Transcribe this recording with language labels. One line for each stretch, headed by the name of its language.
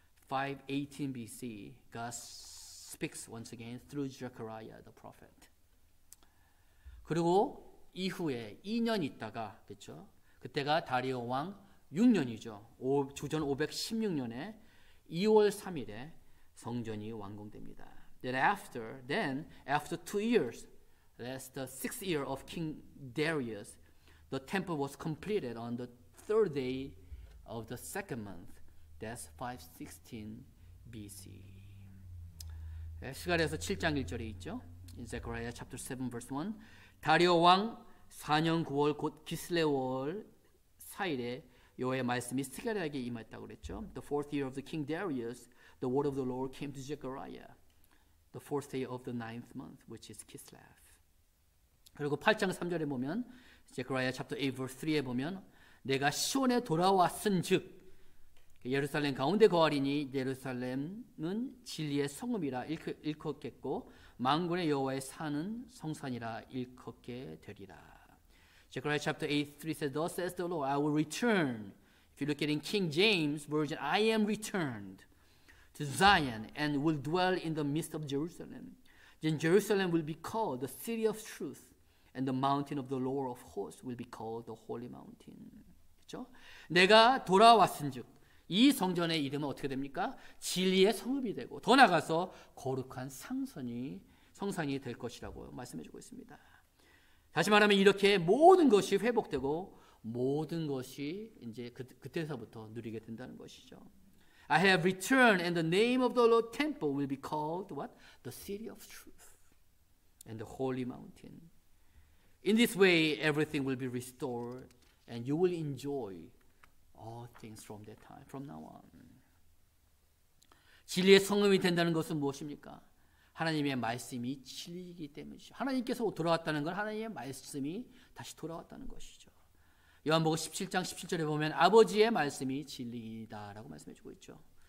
English: 518 BC, God speaks once again through Zechariah the prophet.
Korean: 그리고 이후에 2년 있다가, 그쵸? 그때가 다리오 왕 6년이죠. 주전 516년에 2월 3일에 성전이 완공됩니다.
English: Then after 2 years, that's the 6th year of King Darius, the temple was completed on the third day of the second month. That's 516 BC.
Korean: 스가랴서 7장 1절에 있죠.
English: In Zechariah chapter 7 verse 1.
Korean: 다리오 왕 4년 9월 곧 기슬레월 4일에 여호와의 말씀이 스가랴에게 임했다고 그랬죠.
English: The 4th year of the King Darius, the word of the Lord came to Zechariah. The 4th day of the 9th month, which is Kislev.
Korean: 그리고 8장 3절에 보면,
English: Zechariah chapter 8 verse 3
Korean: 에 보면, 내가 시온에 돌아왔은즉 예루살렘 가운데 거하리니 예루살렘은 진리의 성읍이라 일컫겠고 만군의 여호와의 산은 성산이라 일컫게 되리라.
English: Zechariah chapter 8 3 says, Thus says the Lord, I will return. If you look at in King James Version, I am returned to Zion and will dwell in the midst of Jerusalem. Then Jerusalem will be called the city of truth, and the mountain of the Lord of hosts will be called the holy mountain.
Korean: 그렇죠? 내가 돌아왔은즉 이 성전의 이름은 어떻게 됩니까? 진리의 성읍이 되고 더 나아가서 거룩한 성산이 될 것이라고 말씀해주고 있습니다. 다시 말하면 이렇게 모든 것이 회복되고 모든 것이 이제 그때서부터 누리게 된다는 것이죠.
English: I have returned and the name of the Lord temple will be called what? The city of truth and the holy mountain. In this way, everything will be restored and you will enjoy all things from that time, from now on.
Korean: 진리의 성읍이 된다는 것은 무엇입니까? 하나님의 말씀이 진리이기 때문이죠. 하나님께서 돌아왔다는 건 하나님의 말씀이 다시 돌아왔다는 것이죠. 요한복음 17장 17절에 보면 아버지의 말씀이 진리이다라고 말씀해주고 있죠.